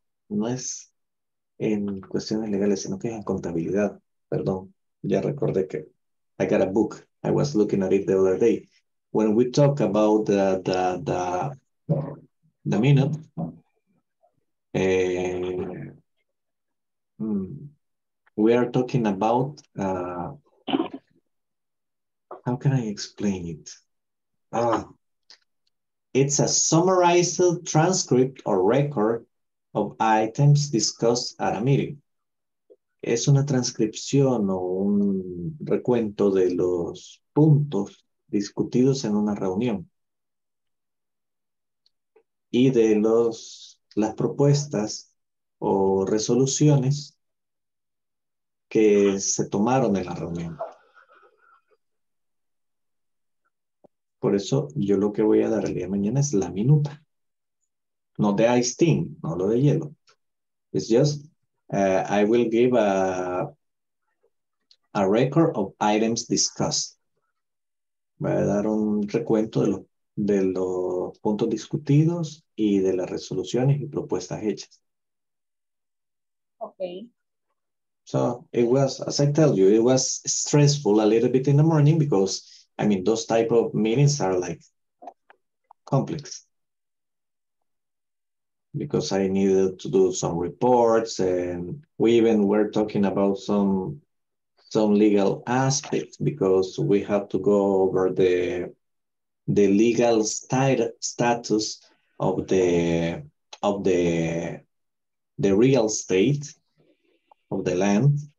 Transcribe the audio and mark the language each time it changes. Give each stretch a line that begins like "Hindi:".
Spanish: No es en cuestiones legales, sino que es en contabilidad. Perdón. Ya recordé que
English: I got a book. I was looking at it the other day. When we talk about the minute, we are talking about, how can I explain it? It's a summarized transcript or record of items discussed at a meeting.
Spanish: Es una transcripción o un recuento de los puntos discutidos en una reunión y de las propuestas o resoluciones que se tomaron en la reunión. Por eso yo lo que voy a dar el día de mañana es la minuta. No de ice tea, no lo de hielo.
English: It's just, I will give a record of items discussed.
Spanish: Voy a dar un recuento de los puntos discutidos y de las resoluciones y propuestas hechas.
English: Okay. So, it was, as I tell you, it was stressful a little bit in the morning because, I mean, those type of meetings are like complex. Because I needed to do some reports and we even were talking about some legal aspects because we have to go over the legal status of the real estate of the land,